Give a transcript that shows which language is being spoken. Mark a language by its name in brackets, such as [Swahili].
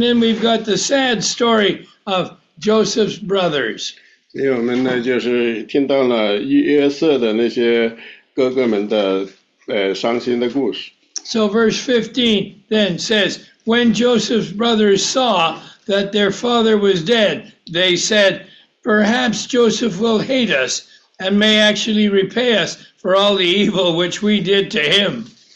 [English] then we've got the sad story of Joseph's brothers. [Chinese] 所以我们呢，就是听到了约瑟的那些哥哥们的伤心的故事。So [English] verse 15 then says, when Joseph's brothers saw that their father was dead, they said, perhaps Joseph will hate us and may actually repay us for all the evil which we did to him.